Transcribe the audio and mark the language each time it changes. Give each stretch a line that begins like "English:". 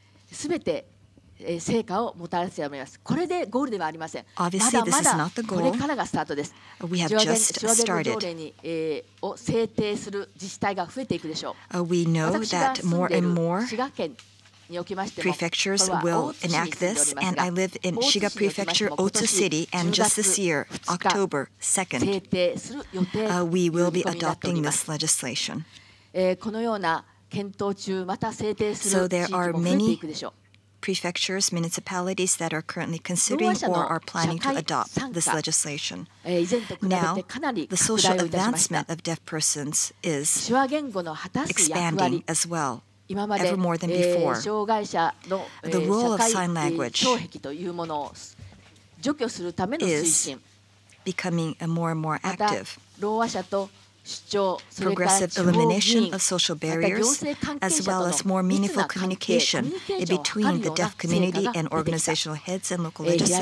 Japanese: すべて成果をもたらすと思います。これでゴールではありません。
English: Obviously,
Japanese: まだまだこれからがスタートです。
English: We have just started.
Japanese: 条例を制定する自治体が増えていくでしょう。
English: We know that more and more
Japanese: 滋賀県におきましても、
English: prefectures will enact this, and I live in Shiga Prefecture, Otsu City, and just this year, October 2nd, we will be adopting this legislation.
Japanese: このような検討中、また制定する地域も増えていくでしょう。
English: So there are many prefectures, municipalities that are currently considering or are planning to adopt this legislation. Now, the social advancement of deaf persons is expanding as well.
Japanese: 今まで、障害者の、社会障壁というものを除去するための推進、
English: becoming more and more active.
Japanese: また、ろうあ者と主張、それから地方議員、また行政関係者との密な関係、コミュニケーションを図るような成果が出てきた。